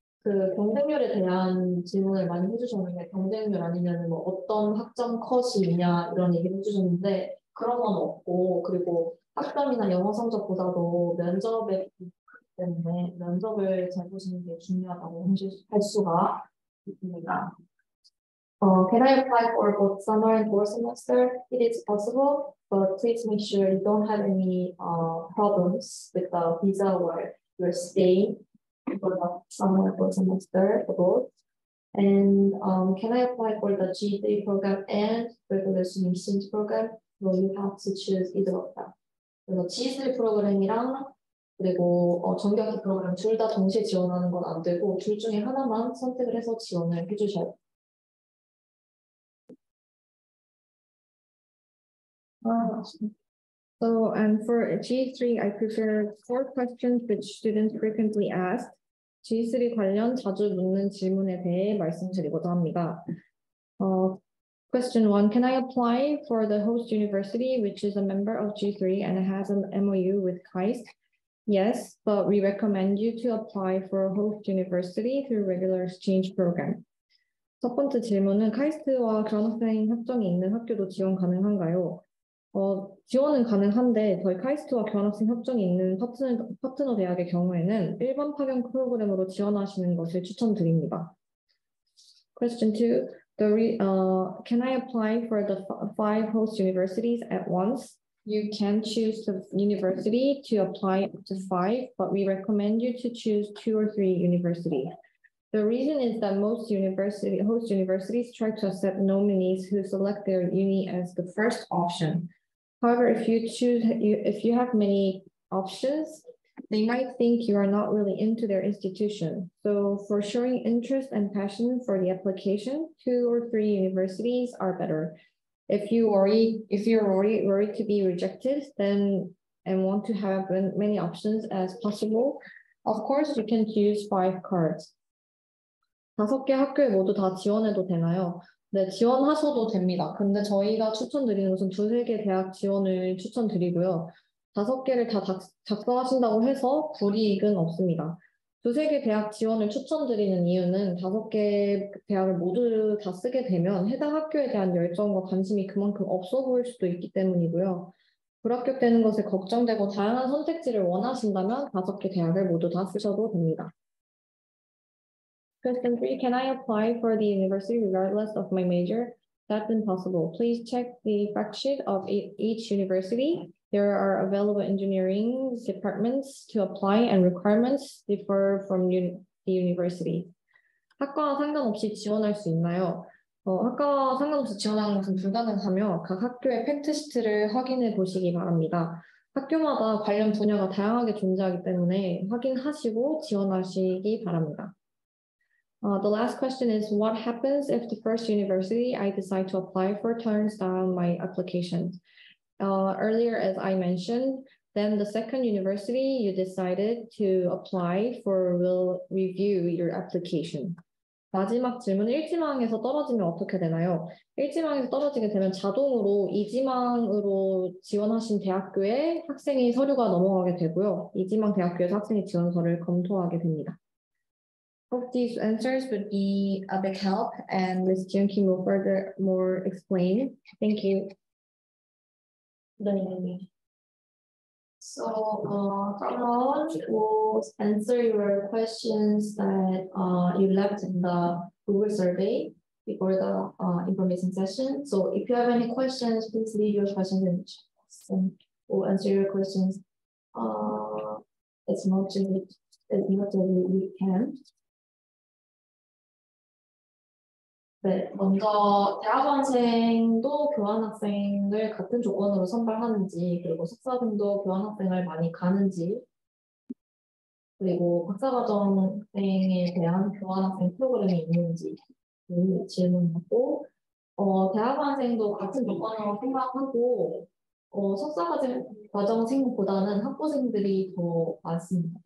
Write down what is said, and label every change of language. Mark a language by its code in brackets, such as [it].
[ko] 그 경쟁률에 대한 질문을 많이 해주셨는데, 경쟁률 아니면 뭐 어떤 학점 컷이 있냐 이런 얘기를 해주셨는데, 그런 건 없고, 그리고 학점이나 영어 성적보다도 면접에 때문에 면접을 잘 보시는 게 중요하다고 할 수가 있습니다. [en] Can I apply for both summer and fall semester? It is possible, but please make sure you don't have any problems with the visa or your stay for the summer or semester abroad. And can I apply for the G3 program and regular student exchange program? Will you have to choose either of them? [ko] 그래서 G3 프로그램이랑 그리고 정규학기 프로그램 둘 다 동시에 지원하는 건 안 되고 둘 중에 하나만 선택을 해서 지원을 해주셔야 돼요. [en] So, and for G3, I prepared four questions which students frequently asked. [ko] G3 관련 자주 묻는 질문에 대해 말씀드리고자 합니다. [en] Question one, can I apply for the host university, which is a member of G3 and has an MOU with KAIST? Yes, but we recommend you to apply for a host university through regular exchange program. [ko] 첫 번째 질문은 KAIST와 그런 학생 협정이 있는 학교도 지원 가능한가요? 지원은 가능한데 저희 카이스트와 교환학생 협정이 있는 파트너 대학의 경우에는 일반 파견 프로그램으로 지원하시는 것을 추천드립니다. [en] Question 2. Can I apply for the five host universities at once? You can choose the university to apply up to five, but we recommend you to choose two or three universities. The reason is that most host universities try to accept nominees who select their uni as the first option. However, if you have many options, they might think you are not really into their institution. So for showing interest and passion for the application, two or three universities are better. If you're already worried to be rejected, then and want to have as many options as possible, of course you can choose five cards. [ko] 다섯 개 학교에 모두 다 지원해도 되나요? 네, 지원하셔도 됩니다. 근데 저희가 추천드리는 것은 두세 개 대학 지원을 추천드리고요. 다섯 개를 다 작성하신다고 해서 불이익은 없습니다. 두세 개 대학 지원을 추천드리는 이유는 다섯 개 대학을 모두 다 쓰게 되면 해당 학교에 대한 열정과 관심이 그만큼 없어 보일 수도 있기 때문이고요. 불합격되는 것에 걱정되고 다양한 선택지를 원하신다면 다섯 개 대학을 모두 다 쓰셔도 됩니다. [en] Question 3, can I apply for the university regardless of my major? That's impossible. Please check the fact sheet of each university. There are available engineering departments to apply and requirements differ from the university. [ko] 학과와 상관없이 지원할 수 있나요? 학과와 상관없이 지원하는 것은 불가능하며 각 학교의 팩트시트를 확인해 보시기 바랍니다. 학교마다 관련 분야가 다양하게 존재하기 때문에 확인하시고 지원하시기 바랍니다. [en] The last question is, what happens if the first university I decide to apply for turns down my application? Earlier, as I mentioned, then the second university you decided to apply for will review your application. [ko] 마지막 질문, 1지망에서 떨어지면 어떻게 되나요? 1지망에서 떨어지게 되면 자동으로 2지망으로 지원하신 대학교에 학생이 서류가 넘어가게 되고요. 2지망 대학교에서 학생이 지원서를 검토하게 됩니다. [en] Hope these answers would be a big help, and Ms. Jun Kim will further more explain. Thank you. 네. So, Carlon will answer your questions that you left in the Google survey before the information session. So, if you have any questions, please leave your questions in the chat box, and we'll answer your questions as much as we can. [ko] 네, 먼저 대학원생도 교환학생을 같은 조건으로 선발하는지, 그리고 석사생도 교환학생을 많이 가는지, 그리고 박사과정생에 대한 교환학생 프로그램이 있는지 질문하고, 대학원생도 같은 조건으로 선발하고, 석사과정생보다는 학부생들이 더 많습니다.